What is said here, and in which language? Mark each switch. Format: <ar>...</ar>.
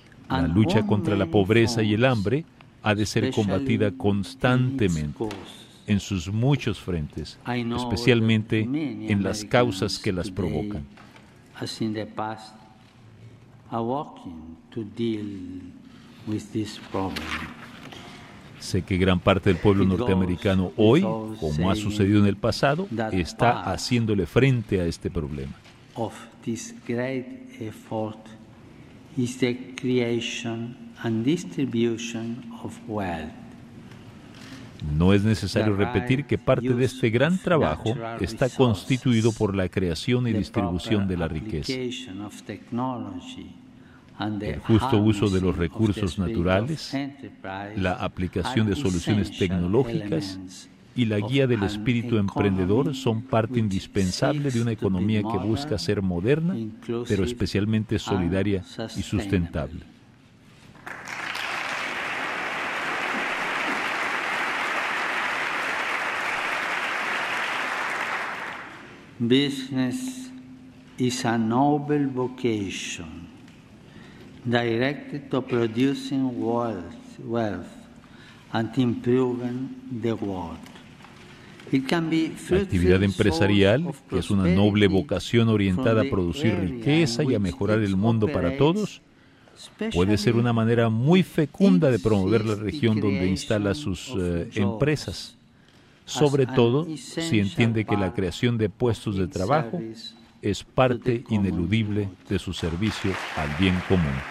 <es>La lucha contra la pobreza y el hambre ha de ser combatida constantemente en sus muchos frentes, especialmente en las causas que las provocan.</es> <en>As in the past, are working to deal with this problem.</en> <es>Sé que gran parte del pueblo norteamericano hoy, como ha sucedido en el pasado, está haciéndole frente a este problema.</es> <en>Of this great effort is the creation and distribution of wealth.</en> <es>No es necesario repetir que parte de este gran trabajo está constituido por la creación y distribución de la riqueza, el justo uso de los recursos naturales, la aplicación de soluciones tecnológicas y la guía del espíritu emprendedor son parte indispensable de una economía que busca ser moderna, pero especialmente solidaria y sustentable.</es> <en>Business is a noble vocation directed to producing wealth and improving the world. It can be fruitful.</en> <es>La actividad empresarial, que es una noble vocación orientada a producir riqueza y a mejorar el mundo para todos, puede ser una manera muy fecunda de promover la región donde instala sus empresas. Sobre todo si entiende que la creación de puestos de trabajo es parte ineludible de su servicio al bien común.</es>